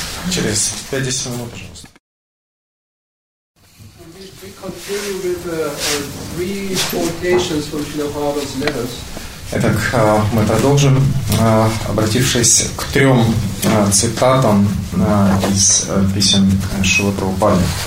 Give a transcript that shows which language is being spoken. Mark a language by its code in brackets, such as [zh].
[ru] Через 5-10 минут, пожалуйста. [en] We continue with three quotations from Srila Prabhupada's letters. [ru] Итак, мы продолжим, обратившись к трем цитатам из писем Шрилы Прабхупады.